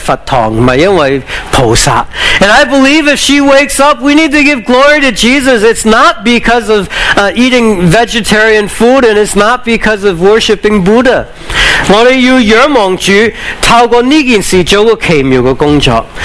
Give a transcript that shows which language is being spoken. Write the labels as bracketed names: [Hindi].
[Cantonese] 因为她是信耶稣，但如果神要她醒，如果她真的可以自己呼吸，可以自己开口，我想要将荣耀归返给耶稣，不是因为佛堂，不是因为菩萨。 [English] And I believe if she wakes up, we need to give glory to Jesus. It's not because of eating vegetarian food, and it's not because of worshiping Buddha. [Cantonese] 我们要仰望主，透过呢件事做个奇妙嘅工作。